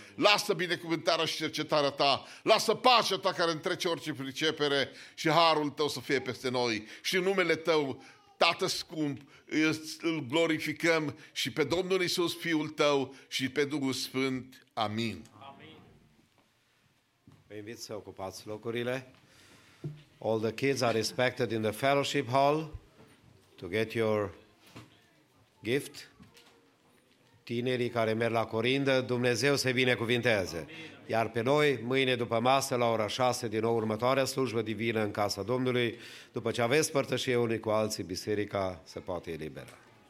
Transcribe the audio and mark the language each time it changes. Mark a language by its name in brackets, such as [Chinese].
[Romanian] Lasă binecuvântarea și cercetarea ta. Lasă pacea ta care întrece orice pricepere și harul tău să fie peste noi. Și în numele tău, Tată scump, îl glorificăm și pe Domnul Iisus, Fiul tău, și pe Duhul Sfânt. Amin. Vă invit să ocupați locurile. [English] All the kids are expected in the fellowship hall to get your gift. [Romanian] Tinerii care merg la corindă, Dumnezeu se binecuvinteze. Iar pe noi, mâine după masă, la ora 6, din nou următoarea slujbă divină în casa Domnului, după ce aveți părtășie unii cu alții, biserica se poate elibera.